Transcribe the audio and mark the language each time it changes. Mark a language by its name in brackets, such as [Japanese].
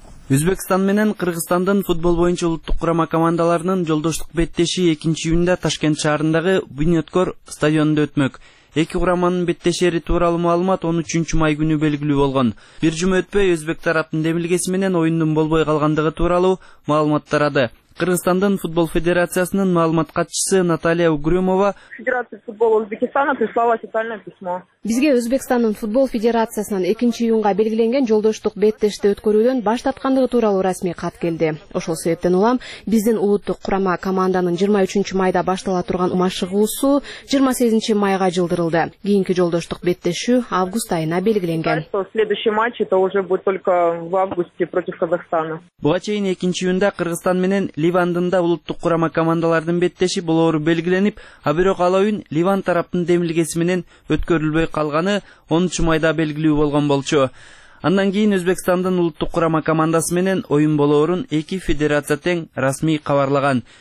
[Kyrgyz] Өзбекстан менен Кыргызстандын футбол боюнча улуттук курама командаларынын жолдоштук беттеши 2-июнда Ташкент шаарындагы Бүйнөткөр стадионунда өтмөк. Эки курамынын беттешери тууралуу маалымат 13-май күнү белгилүү болгон. Бир жума өтпөй өзбек тараптын демилгеси менен оюндун болбой калгандыгы тууралуу маалымат тарады. Кыргызстандын футбол федерациясынын маалымат катчысы Наталья Угрюмова [Russian] Федерация футбола Узбекистана прислала официальное письмо. [Kyrgyz] Бизге Өзбекстандын футбол федерациясынан 2-июнга белгиленген жолдоштук беттешти өткөрүүдөн баш тарткандыгы тууралуу расмий кат келди. Ошол себептен улам биздин улуттук курама команданын 23-майда баштала турган машыгуусу 28-майга жылдырылды. Кийинки жолдоштук беттешүү август айына белгиленген. [Russian] Следующий матч это уже будет только в августе против Казахстана. [Kyrgyz] Буга чейин 2-июнда Кыргызстан менен Ливандында улуттук курама командалардын беттеши болоору белгиленип, а бирок ал оюн Ливан тараптын демилгеси менен өткөрүлбөй калганы 13-майда белгилүү болгон болчу. Андан кийин Өзбекстандын улуттук курама командасы менен оюн болоорун эки федерация тең расмий кабарлаган.